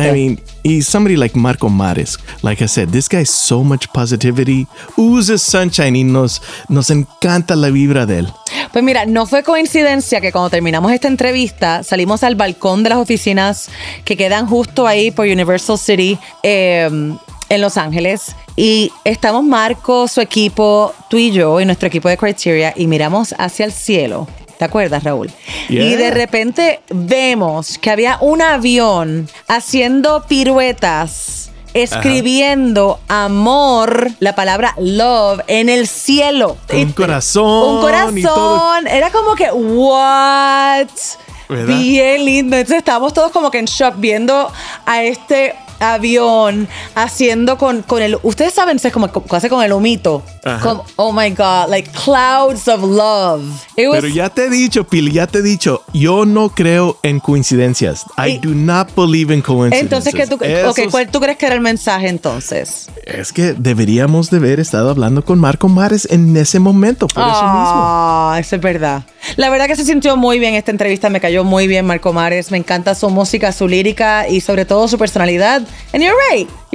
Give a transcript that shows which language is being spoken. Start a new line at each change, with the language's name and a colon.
English: I mean, he's somebody like Marco Mares. Like I said, this guy has so much positivity. Uses sunshine
Spanish: y nos encanta la vibra de él. Pues mira, no fue coincidencia que cuando terminamos esta entrevista, salimos al balcón de las oficinas que quedan justo ahí por Universal City en Los Ángeles. Y estamos Marco, su equipo, tú y yo, y nuestro equipo de Criteria, y miramos hacia el cielo. ¿Te acuerdas, Raúl?
English: Yeah.
Spanish: Y de repente vemos que había un avión haciendo piruetas, escribiendo amor, la palabra love, en el cielo. Un corazón. Y todo. Era como que, what? ¿Verdad? Bien lindo. Entonces estábamos todos como que en shock viendo a este avión haciendo con el... Ustedes saben, es como hace con el humito.
English: Como, oh my God, like clouds of love.
Spanish: Pero ya te he dicho, Pili, ya te he dicho, yo no creo en coincidencias.
English: I do not believe in coincidences.
Spanish: Entonces, ¿cuál tú crees que era el mensaje entonces? Es que deberíamos de haber estado hablando con Marco Mares en ese momento, por eso mismo. Eso es verdad. La verdad que se sintió muy bien esta entrevista, me cayó muy bien Marco Mares. Me encanta su música, su lírica y sobre todo su personalidad.
English: And you're right.